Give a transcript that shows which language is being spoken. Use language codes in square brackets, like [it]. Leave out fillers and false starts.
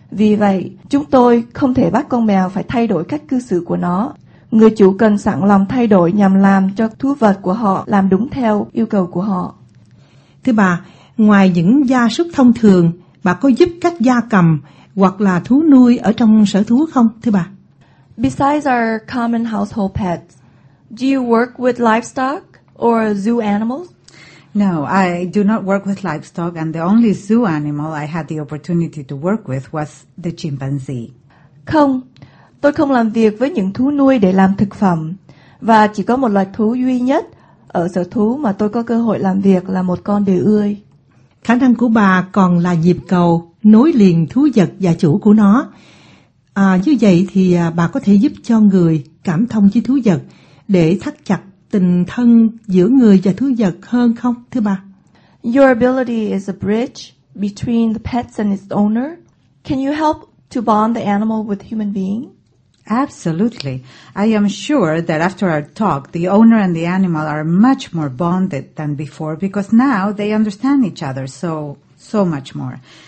[vi] Vì vậy, chúng tôi không thể bắt con mèo phải thay đổi cách cư xử của nó. Người chủ cần sẵn lòng thay đổi nhằm làm cho thú vật của họ làm đúng theo yêu cầu của họ. Thưa bà, ngoài những gia súc thông thường, bà có giúp các gia cầm hoặc là thú nuôi ở trong sở thú không, thưa bà? [en] Besides our common household pets, do you work with livestock or zoo animals? No, I do not work with livestock, and the only zoo animal I had the opportunity to work with was the chimpanzee. [vi] Không, tôi không làm việc với những thú nuôi để làm thực phẩm, và chỉ có một loài thú duy nhất ở sở thú mà tôi có cơ hội làm việc là một con đười ươi. Khả năng của bà còn là nhịp cầu nối liền thú vật và chủ của nó. À, như vậy thì bà có thể giúp cho người cảm thông với thú vật để thắt chặt tình thân giữa người và thú vật hơn không, thưa bà? [en] Your ability is a bridge between the pets and its owner. Can you help to bond the animal with human being? Absolutely. I am sure that after our talk, the owner and the animal are much more bonded than before because now they understand each other so much more.